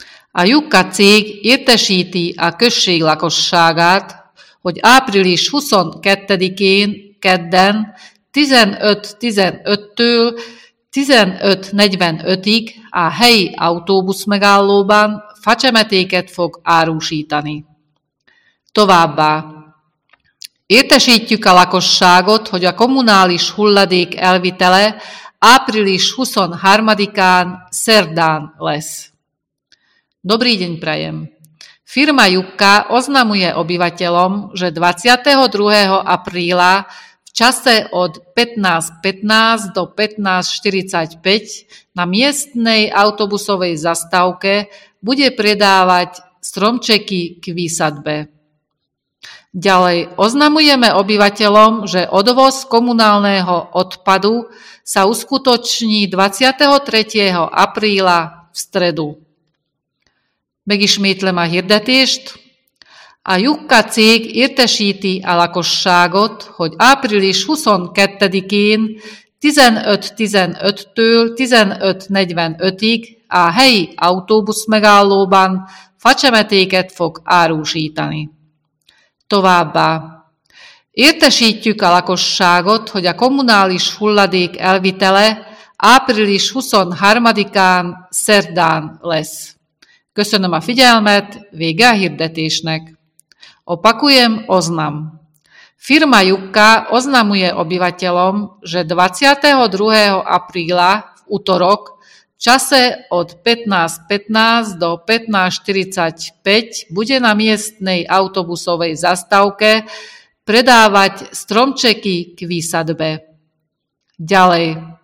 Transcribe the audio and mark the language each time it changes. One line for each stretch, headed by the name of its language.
Hungarian: A Jukka cég értesíti a község lakosságát, hogy április 22-én, kedden, 15:15-től 15:45-ig a helyi autóbusz megállóban facsemetéket fog árusítani. Továbbá, értesítjük a lakosságot, hogy a kommunális hulladék elvitele április 23-án szerdán lesz.
Slovak: Dobrý deň prajem. Firma Jukka oznamuje obyvateľom, že 22. apríla v čase od 15:15 do 15:45 na miestnej autobusovej zastávke bude predávať stromčeky k výsadbe. Ďalej oznamujeme obyvateľom, že odvoz komunálneho odpadu sa uskutoční 23. apríla v stredu.
Hungarian: Megismétlem a hirdetést. A Jukka cég értesíti a lakosságot, hogy április 22-én 15:15-től 15:45-ig a helyi autóbusz megállóban facsemetéket fog árusítani. Továbbá. Értesítjük a lakosságot, hogy a kommunális hulladék elvitele április 23-án szerdán lesz. Köszönöm a figyelmet, vége a hirdetésnek.
Slovak: Opakujem, oznam. Firma Jukka oznamuje obyvateľom, že 22. apríla v utorok v čase od 15:15 do 15:45 bude na miestnej autobusovej zastávke predávať stromčeky k výsadbe. Ďalej.